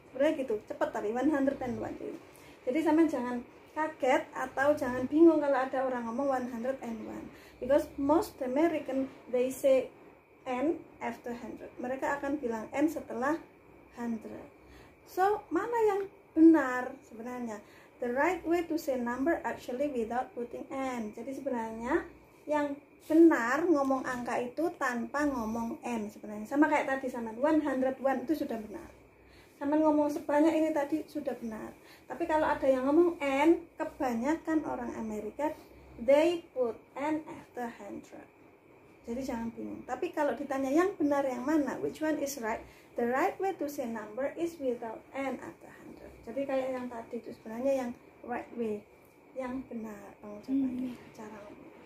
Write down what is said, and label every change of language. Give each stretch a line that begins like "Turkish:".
Indonesian: Sebenarnya gitu, cepet tapi 100 and 1. Jadi sama jangan kaget atau jangan bingung kalau ada orang ngomong 101.
English: Because most American, they say N after 100.
Indonesian: Mereka akan bilang N setelah 100. So, mana yang benar sebenarnya?
English: The right way to say number actually without putting N.
Indonesian: Jadi sebenarnya yang benar ngomong angka itu tanpa ngomong N sebenarnya. Sama kayak tadi sama 101 itu sudah benar. Sama ngomong sebanyak ini tadi sudah benar. Tapi kalau ada yang ngomong N, kebanyakan orang Amerika
English: they put N after 100.
Indonesian: Jadi jangan bingung. Tapi kalau ditanya yang benar yang mana,
English: which one is right? The right way to say number is without N after 100.
Indonesian: Jadi kayak yang tadi itu sebenarnya yang right way, yang benar pengucapannya, cara ngomong.